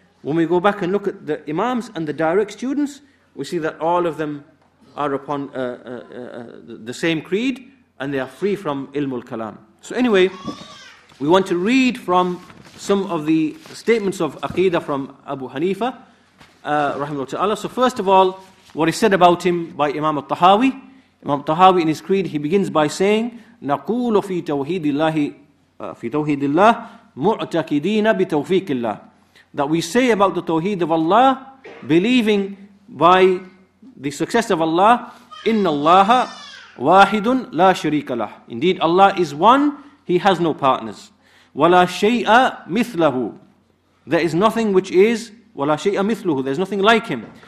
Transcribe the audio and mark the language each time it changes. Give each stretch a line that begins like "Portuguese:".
English: When we go back and look at the Imams and the direct students, we see that all of them are upon the same creed, and they are free from ilmul kalam. So anyway, we want to read from some of the statements of Aqidah from Abu Hanifa, rahimahullah ta'ala. So first of all, what is said about him by Imam al-Tahawi. Imam al-Tahawi in his creed, he begins by saying,
Arabic: نَقُولُ فِي تَوْحِيدِ اللَّهِ فِي تَوْحِيدِ اللَّهِ مُعْتَكِدِينَ بِتَوْفِيقِ اللَّهِ.
English: That we say about the tawheed of Allah, believing by the success of Allah,
Arabic: إِنَّ اللَّهَ وَاحِدٌ لَا شَرِيكَ لَهُ.
English: Indeed, Allah is one, He has no partners.
Arabic: وَلَا شَيْءَ مِثْلَهُ.
English: There is nothing which is,
Arabic: وَلَا شَيْءَ مِثْلُهُ.
English: There is nothing like Him.